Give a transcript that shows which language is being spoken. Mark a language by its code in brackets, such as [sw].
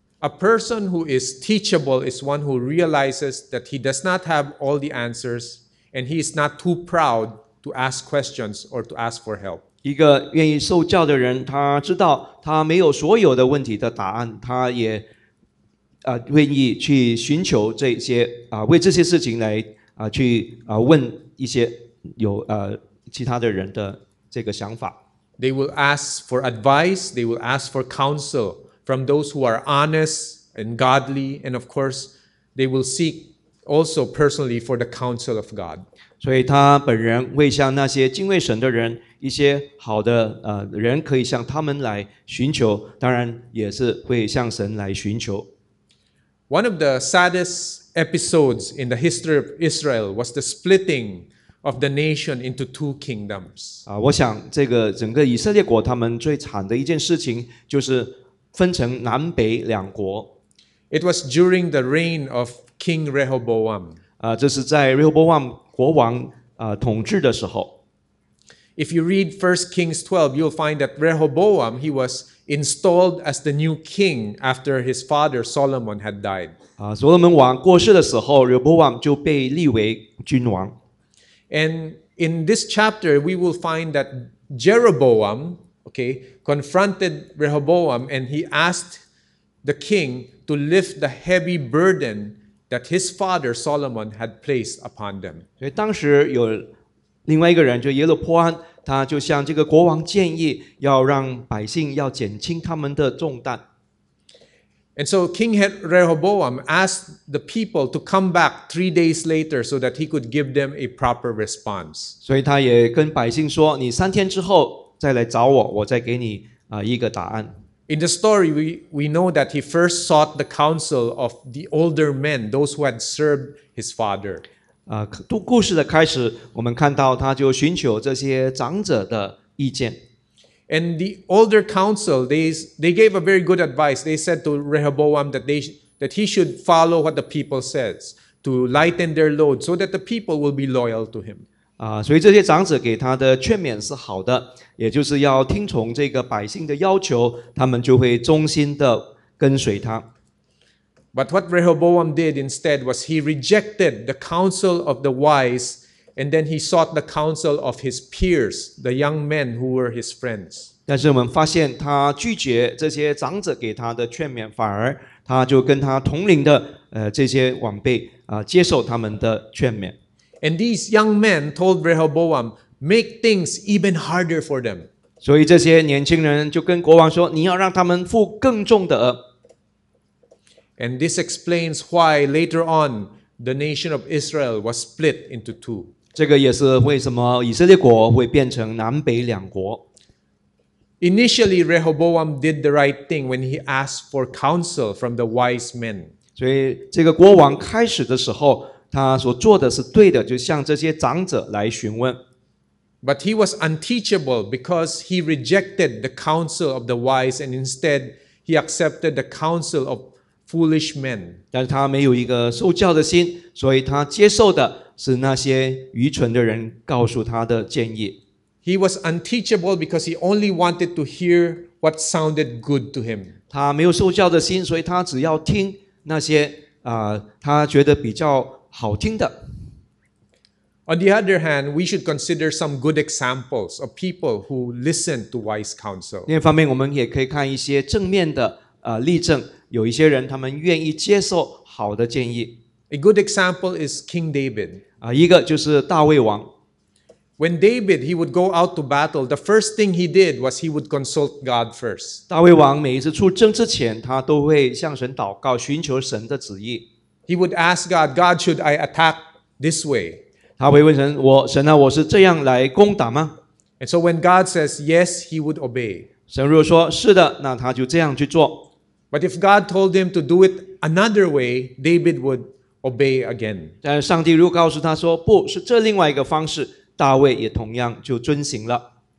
[en] A person who is teachable is one who realizes that he does not have all the answers, and he is not too proud to ask questions or to ask for help. [zh] 一个愿意受教的人，他知道他没有所有的问题的答案，他也愿意去寻求这些为这些事情来去问一些有其他的人的这个想法。 [en] They will ask for advice, they will ask for counsel from those who are honest and godly, and of course, they will seek also personally for the counsel of God. [zh] 所以他本人会向那些敬畏神的人一些好的人可以向他们来寻求，当然也是会向神来寻求。 [en] One of the saddest episodes in the history of Israel was the splitting of the nation into two kingdoms. [zh] 我想这个整个以色列国他们最惨的一件事情就是分成南北两国。 [en] It was during the reign of King Rehoboam. [zh] 这是在 Rehoboam 国王统治的时候。 [en] If you read 1 Kings 12, you'll find that Rehoboam, he was installed as the new king after his father Solomon had died. [zh] 所罗门王过世的时候 ,Rehoboam 就被立为君王。 [en] And in this chapter, we will find that Jeroboam, okay, confronted Rehoboam and he asked the king to lift the heavy burden that his father Solomon had placed upon them. [zh] 所以当时有另外一个人，就耶罗波安，他就向这个国王建议，要让百姓要减轻他们的重担。 [en] And so King Rehoboam asked the people to come back 3 days later so that he could give them a proper response. [zh] 所以他也跟百姓说，你三天之后再来找我，我再给你一个答案。 [en] In the story, we know that he first sought the counsel of the older men, those who had served his father. [zh] 故事的开始，我们看到他就寻求这些长者的意见。 [en] And the older council, they gave a very good advice. They said to Rehoboam that he should follow what the people says to lighten their load so that the people will be loyal to him. [zh] 所以这些长者给他的劝勉是好的，也就是要听从这个百姓的要求，他们就会忠心的跟随他。 [en] But what Rehoboam did instead was he rejected the counsel of the wise and then he sought the counsel of his peers, the young men who were his friends. [zh] 但是我们发现他拒绝这些长者给他的劝勉，反而他就跟他同龄的这些晚辈接受他们的劝勉。 [en] And these young men told Rehoboam, make things even harder for them. [zh] 所以这些年轻人就跟国王说，你要让他们负更重的。 [en] And this explains why later on the nation of Israel was split into two. [zh] 这个也是为什么以色列国会变成南北两国。 [en] Initially, Rehoboam did the right thing when he asked for counsel from the wise men. [zh] 所以这个国王开始的时候，他所做的是对的，就向这些长者来询问。 [en] But he was unteachable because he rejected the counsel of the wise and instead he accepted the counsel of foolish men. [zh] 但是他没有一个受教的心，所以他接受的是那些愚蠢的人告诉他的建议。 [en] He was unteachable because he only wanted to hear what sounded good to him. [zh] 他没有受教的心，所以他只要听那些他觉得比较好听的。 [en] On the other hand, we should consider some good examples of people who listen to wise counsel. [zh] 另一方面，我们也可以看一些正面的例证。有一些人他们愿意接受好的建议。 [en] A good example is King David. [zh] 一个就是大卫王。 [en] When David, he would go out to battle, the first thing he did was he would consult God first. [zh] 大卫王每一次出征之前，他都会向神祷告，寻求神的旨意。 [en] He would ask God, God, should I attack this way? [zh] 他会问神，我是这样来攻打吗？ [en] And so when God says yes, he would obey. [zh] 神如果说是的，那他就这样去做。 [en] But if God told him to do it another way, David would obey again. [zh] 但上帝如果告诉他说不是这另外一个方式，大卫也同样就遵行了。